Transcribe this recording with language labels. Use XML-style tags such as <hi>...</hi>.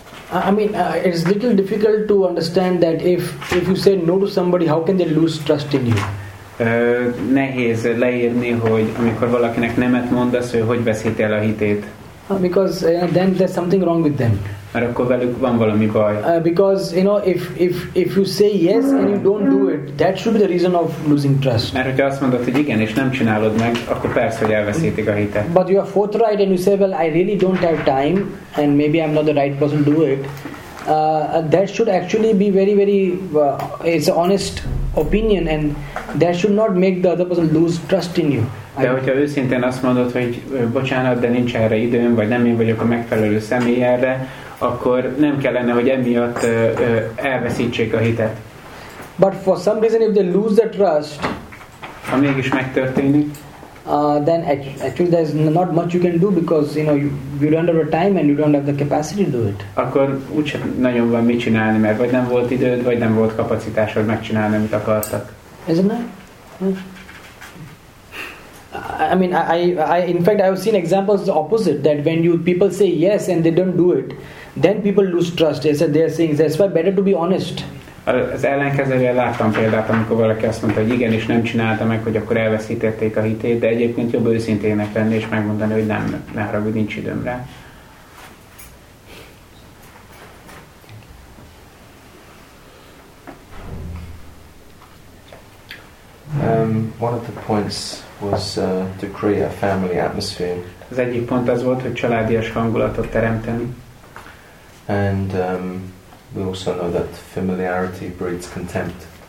<en>I mean, it's a little difficult to understand that if you say no to somebody, how can they lose trust in you?</en> <hu>Nehéz leírni, hogy amikor valakinek nemet mondasz, hogy veszíti el a hitét.</hu> <en>Because then there's something wrong with them.</en> <hu>Mert akkor velük van valami baj.</hu> <en>Because you know, if you say yes and you don't do it, that should be the reason of losing trust.</en> <hu>Mert hogyha azt mondod, hogy igen, és nem csinálod meg, akkor persze, hogy elveszítik a hitet.</hu> <en>But you are forthright and you say, well, I really don't have time, and maybe I'm not the right person to do it. That should actually be very, very, it's an honest opinion, and that should not make the other person lose trust in you.</en> <hu>De hogyha őszintén azt mondod, hogy bocsánat, de nincs erre időm, vagy nem én vagyok a megfelelő személy erre, akkor nem kellene, hogy emiatt elveszítsék a hitet.</hu> <en>But for some reason, if they lose the trust,</en> <hu>ha mégis megtörténik,</hu> <en>then actually there's not much you can do, because you know you run out of time and you don't have the capacity to do it.</en> <hu>Akkor úgysem nagyon van mit csinálni, mert vagy nem volt időd, vagy nem volt kapacitásod megcsinálni, amit akartak.</hu> <en>Isn't it? I mean, I in fact, I have seen examples the opposite, that when you people say yes and they don't do it, then people lose trust. They said they are saying that's why better to be honest.</en> <hu>Az ellenkezőjével láttam példát, amikor valaki azt mondta, hogy igen, és nem csinálta meg, hogy akkor elveszítették a hitét, de egyébként jobb őszintének lenni és megmondani, hogy nem, ne haragudj, nincs időm rá.</hu> <en>One of the points was to create a family atmosphere.</en> <hu>Az egyik pont az volt, hogy családias hangulatot teremteni.</hu> <en>And we also know that familiarity breeds contempt.</en>